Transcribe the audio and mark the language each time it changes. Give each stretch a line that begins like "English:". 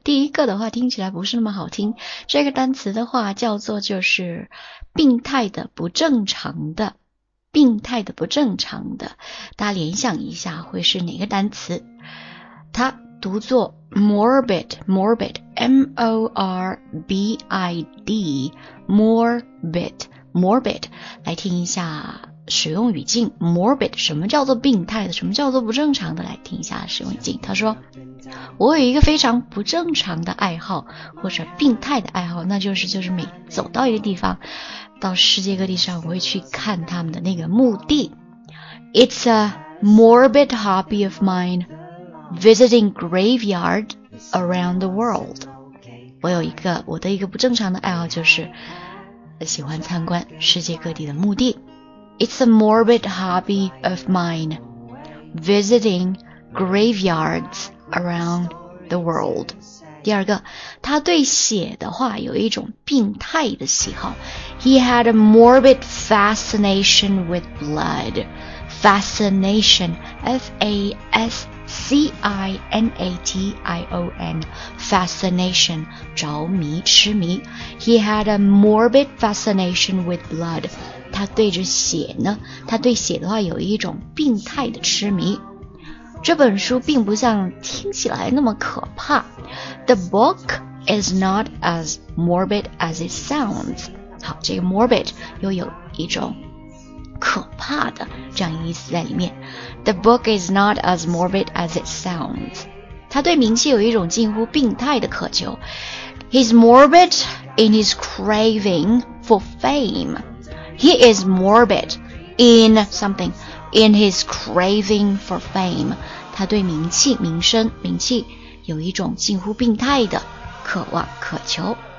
Chinese: 第一个的话听起来不是那么好听，这个单词的话叫做就是病态的、不正常的，病态的、不正常的，大家联想一下会是哪个单词，它读作 morbid M-O-R-B-I-D morbid morbid， 来听一下使用语境 morbid， 什么叫做病态的，什么叫做不正常的，来听一下使用语境。他说我有一个非常不正常的爱好，或者病态的爱好，那就是每走到一个地方，到世界各地上，我会去看他们的那个墓地。
English: It's a morbid hobby of mine, visiting graveyard around the world.
Chinese: 我的一个不正常的爱好就是喜欢参观世界各地的墓地。
English: It's a morbid hobby of mine, visiting graveyards around the world.
Chinese: 第二个，他对血的话有一种病态的喜好。
English: He had a morbid fascination with blood. Fascination, F-A-S-C-I-N-A-T-I-O-N, fascination,
Chinese: 着迷、痴迷。
English: He had a morbid fascination with blood.
Chinese: 他对着血呢，他对血的话有一种病态的痴迷。这本书并不像听起来那么可怕。
English: The book is not as morbid as it sounds.
Chinese: 好，这个 morbid 又有一种可怕的这样意思在里面。
English: The book is not as morbid as it sounds.
Chinese: 他对名气有一种近乎病态的渴求。
English: He's morbid in his craving for fame. He is morbid in something, in his craving for fame.
Chinese: 他对名气、名声、名气有一种近乎病态的渴望、渴求。